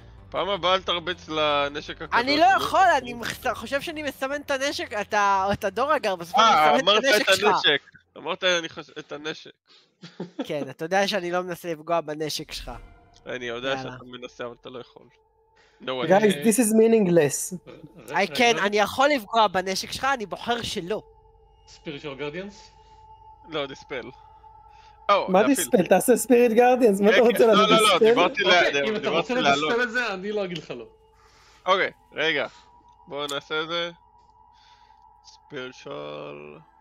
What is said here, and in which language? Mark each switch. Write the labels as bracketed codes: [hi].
[he] פעם הבאה אל תרביץ לנשק הקדוש. אני לא יכול, אני חושב שאני מסמן את הנשק, את הדורגר, בסופו אני מסמן את הנשק שלך. אמרת את הנשק. כן, אתה יודע שאני לא מנסה לפגוע בנשק שלך. אני יודע שאתה מנסה, אבל אתה לא יכול. [en] Guys, this is meaningless. I can, [he] אני יכול לפגוע בנשק שלך, אני בוחר שלא. [en] Spiritual Guardians? [he] לא, דיספל. מה דיספל? תעשה Spirit Guardians, מה אתה רוצה לדיספל? לא, דיברתי להעדר, דיברתי להעלות. אם אתה רוצה לדיספל את זה, אני לא אגיד לך לא. אוקיי, רגע. בואו נעשה את זה. Spiritual...